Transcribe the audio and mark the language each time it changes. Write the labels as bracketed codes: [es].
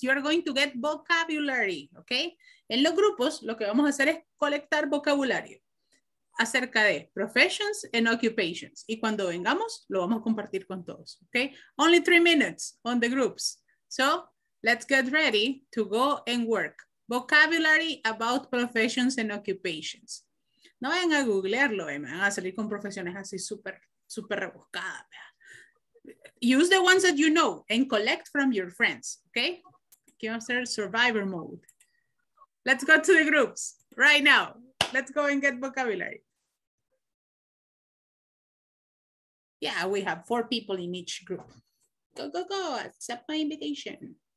[en] You are going to get vocabulary, okay? [es] En los grupos, lo que vamos a hacer es colectar vocabulario acerca de [en] professions and occupations. [es] Y cuando vengamos, lo vamos a compartir con todos, okay? [en] Only 3 minutes on the groups. So let's get ready to go and work. Vocabulary about professions and occupations. [es] No vayan a googlearlo, me van a salir con profesiones así súper, súper rebuscadas, ¿verdad? [en] Use the ones that you know and collect from your friends, okay? [es] Aquí vamos a hacer [en] survivor mode. Let's go to the groups right now. Let's go and get vocabulary. Yeah, we have 4 people in each group. Go, go, go, accept my invitation.